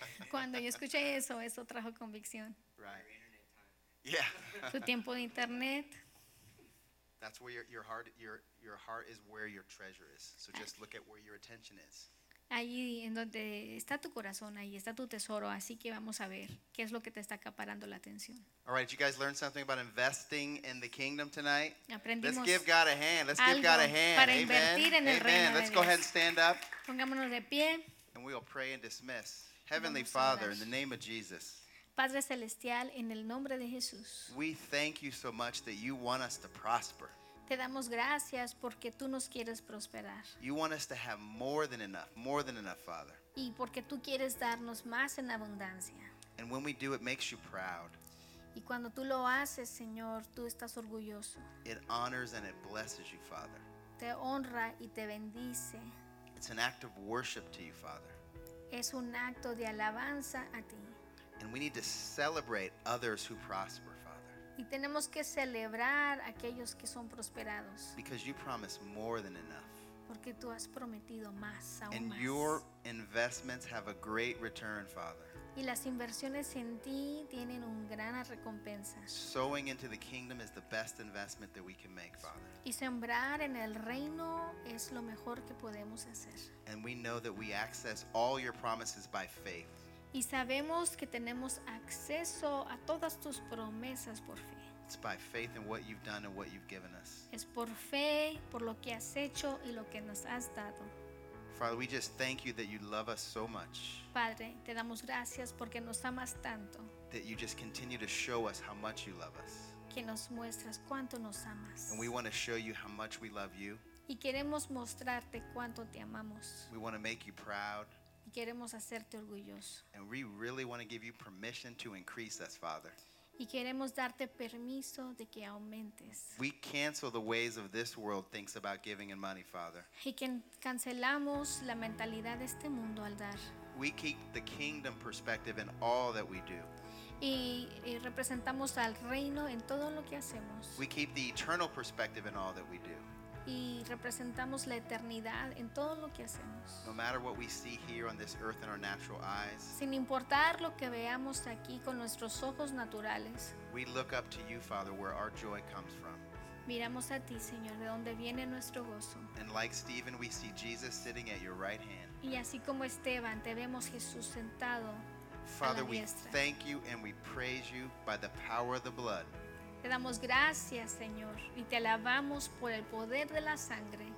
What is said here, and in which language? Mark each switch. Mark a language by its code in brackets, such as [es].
[es] Cuando yo escuché eso, eso trajo convicción. [en] Right. Yeah. [es] Su tiempo de internet. [en] That's where your heart is where your treasure is. So just look at where your attention is. [es] Allí en donde está tu corazón, ahí está tu tesoro. Así que vamos a ver qué es lo que te está acaparando la atención. [en] All right, did you guys learn something about investing in the kingdom tonight? [es] Aprendimos. [en] Let's give God a hand. Let's give God a hand. [es] Para invertir en el reino de Dios. [en] Let's go ahead and stand up. [es] Pongámonos de pie. [en] And we will pray and dismiss. Heavenly Father, in the name of Jesus. [es] Padre celestial, en el nombre de Jesús. [en] We thank you so much that you want us to prosper. [es] Te damos gracias porque tú nos quieres prosperar. [en] You want us to have more than enough, Father. [es] Y porque tú quieres darnos más en abundancia. [en] And when we do, it makes you proud. [es] Y cuando tú lo haces, Señor, tú estás orgulloso. [en] It honors and it blesses you, Father. [es] Te honra y te bendice. [en] It's an act of worship to you, Father. [es] Es un acto de alabanza a ti. [en] And we need to celebrate others who prosper, Father. [es] Y tenemos que celebrar aquellos que son prosperados. [en] Because you promise more than enough. [es] Porque tú has prometido más, aún [en] and [es] más. [en] Your investments have a great return, Father. [es] Y las inversiones en ti tienen un gran recompensa. [en] Sowing into the kingdom is the best investment that we can make, Father. [es] Y sembrar en el reino es lo mejor que podemos hacer. [en] And we know that we access all your promises by faith. [es] Y sabemos que tenemos acceso a todas tus promesas por fe. [en] It's by faith in what you've done and what you've given us. [es] Es por fe, por lo que has hecho y lo que nos has dado. [en] Father, we just thank you that you love us so much. [es] Padre, te damos gracias porque nos amas tanto. [en] That you just continue to show us how much you love us. [es] Que nos muestras cuánto nos amas. [en] And we want to show you how much we love you. [es] Y queremos mostrarte cuánto te amamos. [en] We want to make you proud. [es] Y queremos hacerte orgulloso. [en] And we really want to give you permission to increase us, Father. [es] Y queremos darte permiso de que aumentes. [en] We cancel the ways of this world thinks about giving and money, Father. [es] Y que cancelamos la mentalidad de este mundo al dar. [en] We keep the kingdom perspective in all that we do. [es] Y representamos al reino en todo lo que hacemos. [en] We keep the eternal perspective in all that we do. [es] Y representamos la eternidad en todo lo que hacemos. [en] No matter what we see here on this earth in our natural eyes. [es] Sin importar lo que veamos aquí con nuestros ojos naturales. [en] We look up to you, Father, where our joy comes from. [es] Miramos a ti, Señor, de donde viene nuestro gozo. [en] And like Stephen, we see Jesus sitting at your right hand. [es] Y así como Esteban, te vemos Jesús sentado a la diestra. [en] Father, we thank you and we praise you by the power of the blood. [es] Te damos gracias, Señor, y te alabamos por el poder de la sangre.